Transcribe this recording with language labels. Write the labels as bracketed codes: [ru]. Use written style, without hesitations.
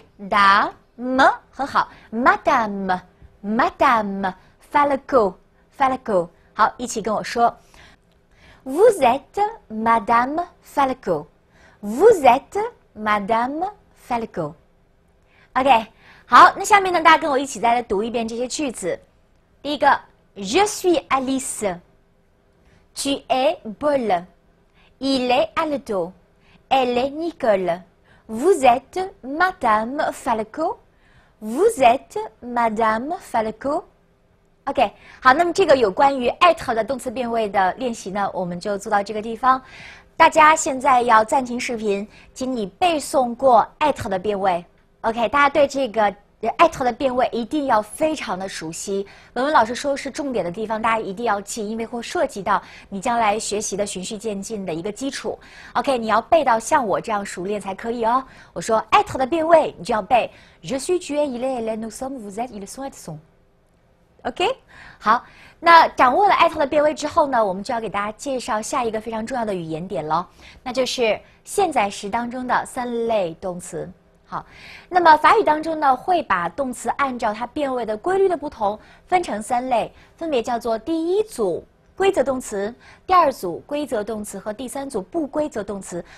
[zh] Madame， 很好 ，Madame， Madame， Falco， Falco， 好，一起跟我说 ， [fr] Vous êtes Madame Falco， [zh] Vous êtes Madame Falco， OK， 好，那下面呢，大家跟我一起再来读一遍这些句子。第一个 [fr] ，Je suis Alice， Tu es Paul， Il est Aldo， Elle est Nicole。 Vous êtes Madame Falco, vous êtes Madame Falco. [zh] OK， 好，那么这个有关于 être 的动词变位的练习呢，我们就做到这个地方。大家现在要暂停视频，请你背诵过 être 的变位。OK， 大家对这个 at 的变位一定要非常的熟悉。文文老师说是重点的地方，大家一定要记，因为会涉及到你将来学习的循序渐进的一个基础。 OK， 你要背到像我这样熟练才可以哦。我说 at 的变位，你就要背 [fr] Je suis tu es il est elle nous sommes vous êtes ils sont elles sont。 [zh] OK， 好，那掌握了 at 的变位之后呢，我们就要给大家介绍下一个非常重要的语言点喽，那就是现在时当中的三类动词。好，那么法语当中呢，会把动词按照它变位的规律的不同分成三类，分别叫做第一组规则动词，第二组规则动词和第三组不规则动词。